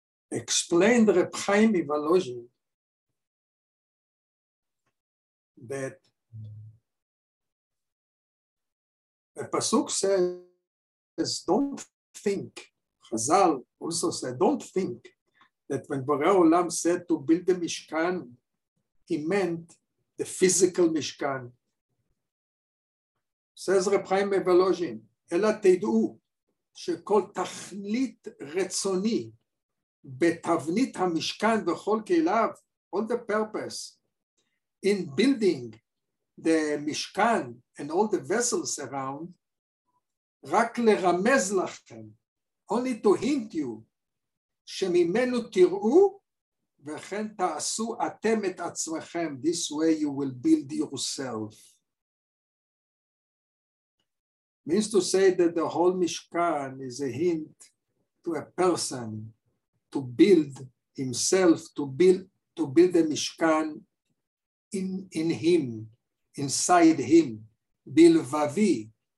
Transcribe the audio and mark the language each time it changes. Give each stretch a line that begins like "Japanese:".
English: Explained Reb Chaim Ivalojin that the pasuk says, don't think, Chazal also said, don't think that when Borei Olam said to build the Mishkan, he meant the physical Mishkan. Says Reb Chaim Mevalojin,
Hebrew: אלא תדעו שכל תכלית רצוני בתבנית המשכן וכל קהיליו,
English: all the purpose in building the Mishkan and all the vessels around,
Hebrew: רק לרמז לכם,
English: only to hint you,
Hebrew: שממנו תראו וכן תעשו אתם את עצמכם,
English: this way you will build yourself. Means to say that the whole Mishkan is a hint to a person to build himself, to build the Mishkan in him, inside him, bilvavi.